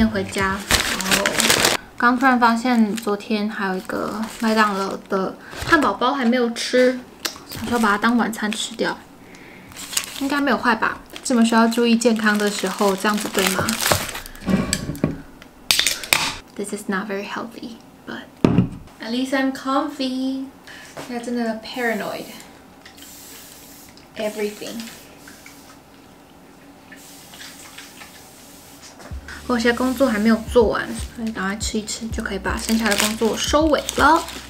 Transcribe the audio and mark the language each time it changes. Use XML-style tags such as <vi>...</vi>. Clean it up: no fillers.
<zh>家，然后刚突然发现昨天还有一个麦当劳的汉堡包还没有吃，想说把它当晚餐吃掉，应该没有坏吧？这么需要注意健康的时候，这样子对吗 ？</zh> <en>This is not very healthy, but at least I'm comfy.</en> <zh>现在真的 paranoid.</zh> <en>Everything.</en> <zh>我有些工作还没有做完，所以赶快吃一吃，就可以把剩下的工作收尾了。</zh>